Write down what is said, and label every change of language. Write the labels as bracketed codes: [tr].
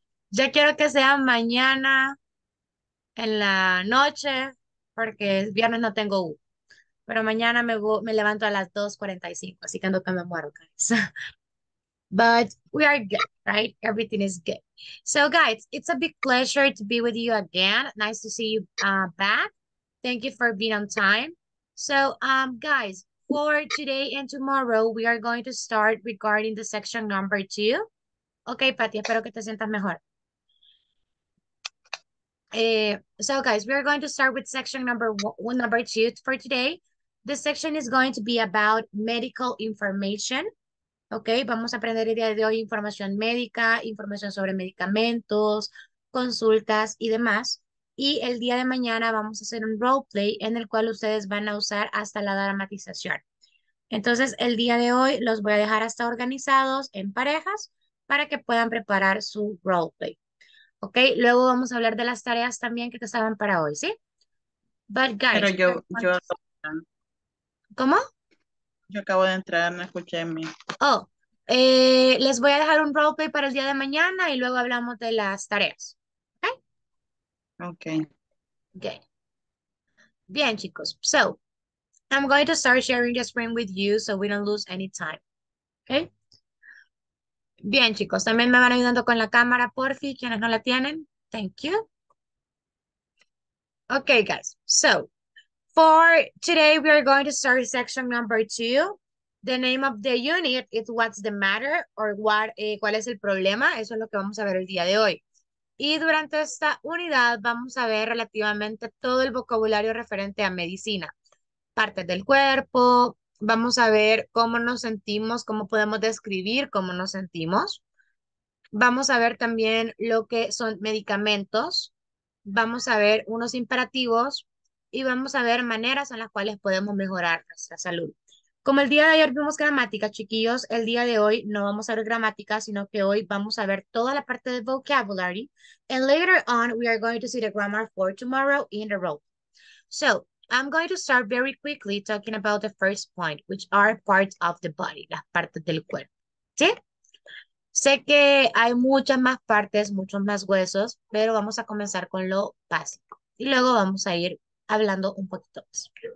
[es] Ya quiero que sea mañana en la noche, porque viernes no tengo U. Pero mañana me levanto a las 2:45, así que ando que me muero, guys. [en] But we are good, right? Everything is good. So, guys, it's a big pleasure to be with you again. Nice to see you back. Thank you for being on time. So, guys, for today and tomorrow, we are going to start regarding the section number 2. [es] Okay, Patty, espero que te sientas mejor. [en] So, guys, we are going to start with section number 2 for today. This section is going to be about medical information. [es] Okay, vamos a aprender el día de hoy información médica, información sobre medicamentos, consultas y demás. Y el día de mañana vamos a hacer un roleplay en el cual ustedes van a usar hasta la dramatización. Entonces, el día de hoy los voy a dejar hasta organizados en parejas para que puedan preparar su roleplay. Ok, luego vamos a hablar de las tareas también que te estaban para hoy, ¿sí? [en] But guys, [es] pero yo ¿cómo? Yo acabo de entrar, no escuché en mí. Oh, les voy a dejar un roleplay para el día de mañana y luego hablamos de las tareas. [en] Okay. [es] Okay. Bien, chicos. [en] So, I'm going to start sharing the screen with you so we don't lose any time. [es] Okay? Bien, chicos. También me van ayudando con la cámara, porfi, quienes no la tienen. [en] Thank you. Okay, guys. So, for today, we are going to start section number 2. The name of the unit is what's the matter or [es] cuál es el problema. Eso es lo que vamos a ver el día de hoy. Y durante esta unidad vamos a ver relativamente todo el vocabulario referente a medicina. Partes del cuerpo, vamos a ver cómo nos sentimos, cómo podemos describir cómo nos sentimos. Vamos a ver también lo que son medicamentos. Vamos a ver unos imperativos y vamos a ver maneras en las cuales podemos mejorar nuestra salud. Como el día de ayer vimos gramática, chiquillos, el día de hoy no vamos a ver gramática, sino que hoy vamos a ver toda la parte de vocabulary. [en] And later on, we are going to see the grammar for tomorrow in a row. So, I'm going to start very quickly talking about the first point, which are parts of the body, [es] las partes del cuerpo. ¿Sí? Sé que hay muchas más partes, muchos más huesos, pero vamos a comenzar con lo básico. Y luego vamos a ir hablando un poquito más.